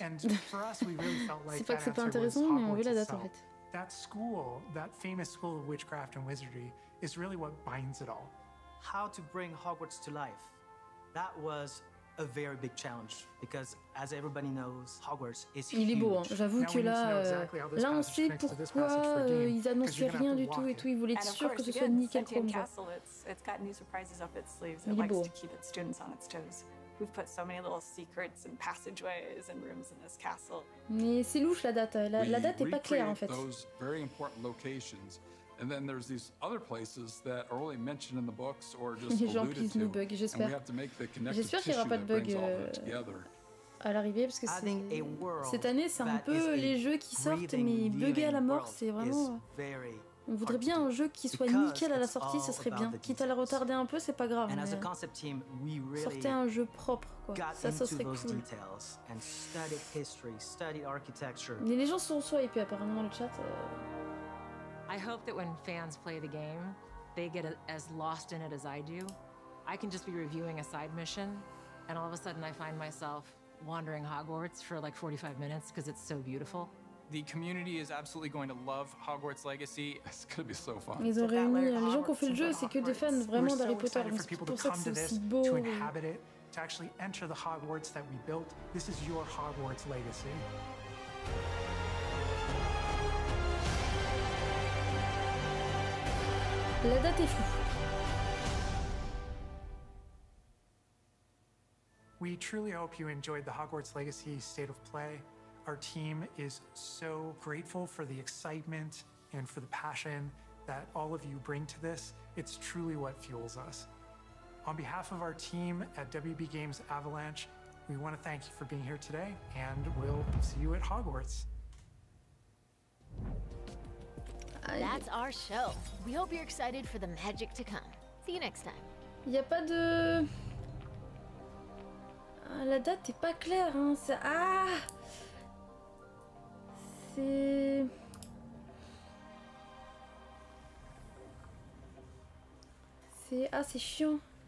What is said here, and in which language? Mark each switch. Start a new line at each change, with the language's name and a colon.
English: And for us, we really felt like that answer was Hogwarts itself. That school, that famous school of witchcraft and wizardry, is really what binds it all. How to bring Hogwarts to life, that was a very big challenge because as everybody knows, Hogwarts is huge.
French: Il est beau, hein. J'avoue que là on sait pourquoi ils annonçaient rien du tout et tout, ils voulaient être sûrs que ce soit nickel chrome.
English: It's got new surprises up its sleeves. It likes to keep its students on its toes. We've put so many little secrets and passageways and rooms in this castle.
French: Mais c'est louche la date, la date est pas claire en fait.
English: Those very important locations. And then there's these other places that are only mentioned in the books or just alluded to.
French: Bug, j'espère.
English: And we have to make the connective tissue that brings all that together.
French: À l'arrivée, parce que cette année, c'est un peu les jeux qui sortent, mais buggés à la mort, c'est vraiment... On voudrait bien un jeu qui soit nickel à la sortie, ce serait bien. Quitte à le retarder un peu, c'est pas grave, mais... Sortez un jeu propre, quoi. Ça serait cool. Mais les gens sont soit hypés, apparemment, dans le chat...
English: I hope that when fans play the game, they get as lost in it as I do. I can just be reviewing a side mission, and all of a sudden I find myself wandering Hogwarts for like 45 minutes because it's so beautiful. The community is absolutely going to love Hogwarts Legacy. It's going to be so fun.
French: Ils ont réuni les gens qui ont fait le jeu, c'est que des fans vraiment d'Harry Potter. C'est pour ça que c'est si beau.
English: To inhabit it, to actually enter the Hogwarts that we built. This is your Hogwarts Legacy.
French: La date est floue.
English: We truly hope you enjoyed the Hogwarts Legacy state of play. Our team is so grateful for the excitement and for the passion that all of you bring to this. It's truly what fuels us. On behalf of our team at WB Games Avalanche, we want to thank you for being here today and we'll see you at Hogwarts. That's our show. We hope you're excited for the magic to come. See you next time.
French: Il y a pas de la date est pas claire hein, c'est c'est chiant.